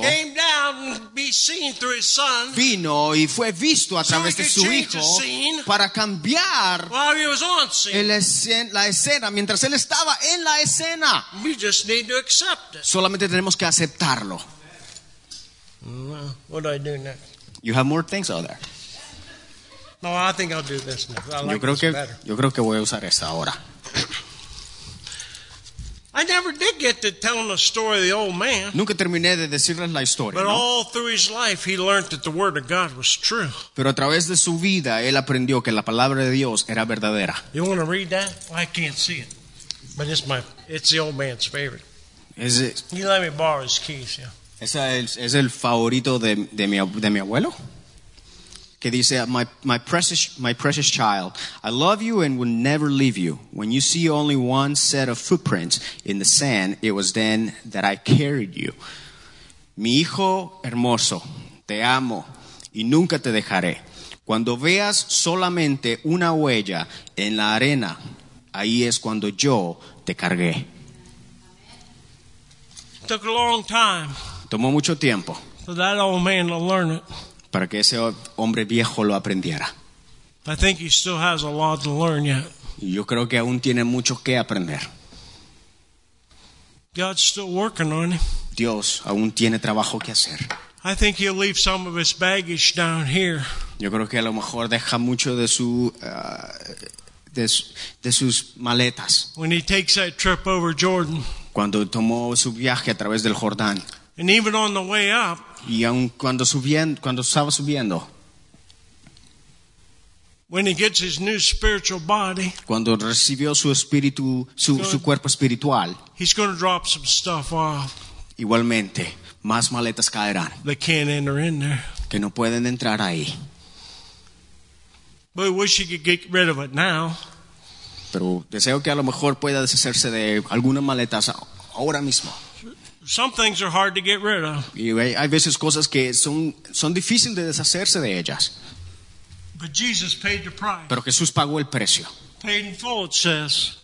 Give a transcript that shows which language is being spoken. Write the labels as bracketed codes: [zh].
[en] Came down and be seen through His Son. [es] Vino y fue visto a través de su Hijo. Para cambiar. [en] While He was on scene. [es] La escena mientras él estaba en la escena. [en] We just need to accept it. [es] Solamente tenemos que aceptarlo. [en] What do I do next? You have more things out there. No, I think I'll do this now. [es] Yo creo que voy a usar esta ahora. [en] I never did get to tell him the story of the old man. [es] Nunca terminé de decirles la historia. [en] But [es] ¿no? [en] All through his life, he learned that the word of God was true. [es] Pero a través de su vida, él aprendió que la palabra de Dios era verdadera. [en] You want to read that? Well, I can't see it, but it's the old man's favorite. Is it? He let me borrow his keys. Yeah. [es] Esa es el favorito de mi abuelo. Que dice, [en] my precious child, I love you and will never leave you. When you see only one set of footprints in the sand, it was then that I carried you. [es] Mi hijo hermoso, te amo y nunca te dejaré. Cuando veas solamente una huella en la arena, ahí es cuando yo te cargué. [en] Took a long time. [es] Tomó mucho tiempo. [en] For that old man to learn it. [es] Para que ese hombre viejo lo aprendiera. [en] I think he still has a lot to learn yet. [es] Yo creo que aún tiene mucho que aprender. [en] God's still working on him. [es] Dios aún tiene trabajo que hacer. [en] I think he'll leave some of his baggage down here. [es] Yo creo que a lo mejor deja mucho de su de sus maletas. [en] When he takes that trip over Jordan. [es] Cuando tomó su viaje a través del Jordán. [en] And even on the way up. [es] Y aun cuando estaba subiendo, [en] when he gets his new spiritual body, [es] cuando recibió su espíritu, su cuerpo espiritual, [en] he's going to drop some stuff off. [es] Igualmente, más maletas caerán. [en] They can't enter in there. [es] Que no pueden entrar ahí. [en] But I wish he could get rid of it now. [es] Pero deseo que a lo mejor pueda deshacerse de algunas maletas ahora mismo. [en] Some things are hard to get rid of. [es] Y hay veces cosas que son difíciles de deshacerse de ellas. [en] But Jesus paid the price. [es] Pero Jesús pagó el precio. [en] Paid in full, it says.